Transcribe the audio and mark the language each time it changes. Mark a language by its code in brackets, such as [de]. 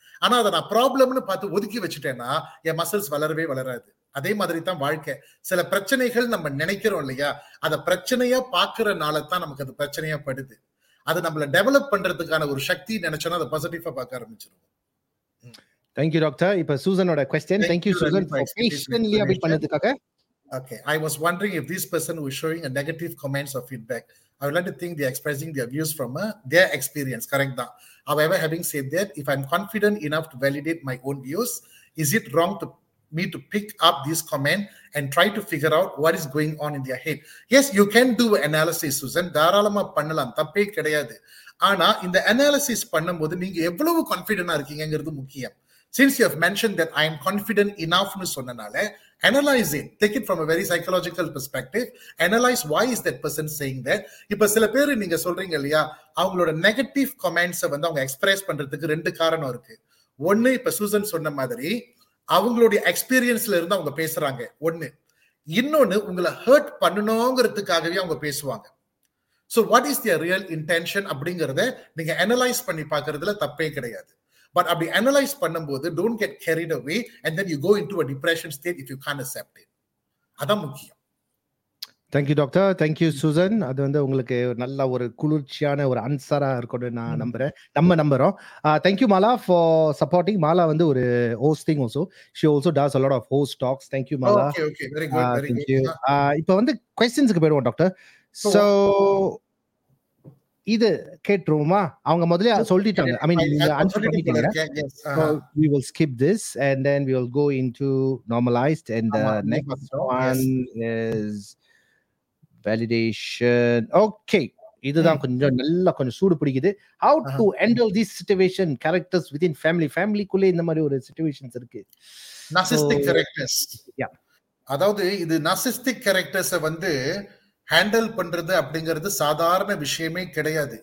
[ta] ஆனா அதை நான் ப்ராப்ளம்னு பார்த்து ஒதுக்கி வச்சுட்டேன்னா என் மசில்ஸ் வளரவே வளராது. அதே மாதிரி தான் வாழ்க்கை. சில பிரச்சனைகள் நம்ம நினைக்கிறோம் இல்லையா, அதை பிரச்சனையா பாக்குறனால தான் நமக்கு அது பிரச்சனையா படுது. அது நம்மள டெவலப் பண்றதுக்கான ஒரு சக்தி நினைச்சோம்னா அதை பாசிட்டிவா பார்க்க ஆரம்பிச்சிருவோம். [en] Thank you doctor. [ta] இப்ப சூசனோட [en] question. Thank you Susan for patiently [ta] அப்படி பண்ணதுக்காக. [en] Okay, I was wondering if this person who is showing a negative comments or feedback, I would like to think they are expressing their views from their experience. Correct da. However, having said that, if I'm confident enough to validate my own views, is it wrong to me to pick up this comment and try to figure out what is going on in their head? Yes, you can do analysis, Susan. [ta] தாராளமா பண்ணலாம், தப்பே கிடையாது. ஆனா இந்த analysis பண்ணும்போது நீங்க எவ்வளவு கான்ஃபிடண்டா இருக்கீங்கிறது முக்கியம். [en] Since you have mentioned that I am confident enough [ta] னு சொன்னனால, [en] analyze it, take it from a very psychological perspective, analyze why is that person saying that. [ta] இப்ப சில பேர் நீங்க சொல்றீங்க இல்லையா, அவங்களோட நெகட்டிவ் கமெண்ட்ஸ் வந்து அவங்க எக்ஸ்பிரஸ் பண்றதுக்கு ரெண்டு காரணம் இருக்கு. ஒன்னு, இப்ப சூசன் சொன்ன மாதிரி அவங்களுடைய எக்ஸ்பீரியன்ஸ்ல இருந்து அவங்க பேசுறாங்க, ஒண்ணு. இன்னொன்னு, உங்களை ஹர்ட் பண்ணணுங்கிறதுக்காகவே அவங்க பேசுவாங்க. [en] so what is their real intention [ta] அப்படிங்கறத நீங்க அனலைஸ் பண்ணி பாக்குறதுல தப்பே கிடையாது. [en] but [ta] அப்படி அனலைஸ் பண்ணும்போது [en] Don't get carried away and then you go into a depression state if you can accept it. [ta] அதான் முக்கியம். [en] Thank you doctor, thank you Susan. [ta] அது வந்து உங்களுக்கு நல்ல ஒரு குளிர்ச்சியான ஒரு ஆன்சரா இருக்கணும்னு நான் நம்புறேன், நம்ம நம்புறோம். [en] Thank you Mala for supporting. Mala வந்து ஒரு hosting also, she also does a lot of host talks. Thank you Mala. Okay okay, very good, very good. [ta] இப்போ வந்து குவெஸ்டின்ஸ்க்கு போயிடுவோம் டாக்டர். சோ இது கேட்டுருவோமா? அவங்க முதலே சொல்லிட்டாங்க, ஐ மீன் நீங்க ஆன்சர் பண்ணிட்டீங்க. [en] So we will skip this and then we will go into normalized and the next one is validation. [ta] Okay, இதுதான் கொஞ்சம் நல்லா கொஞ்சம் சூடு பிடிக்குது. [en] How to handle this situation, characters within family, [ta] family குள்ளே இந்த மாதிரி ஒரு சிச்சுவேஷன்ஸ் இருக்கு. [en] Narcissistic characters. Yeah. [ta] அதாவது இது narcissistic characters வந்து ஹேண்டில் பண்றது அப்படிங்கிறது சாதாரண விஷயமே கிடையாது.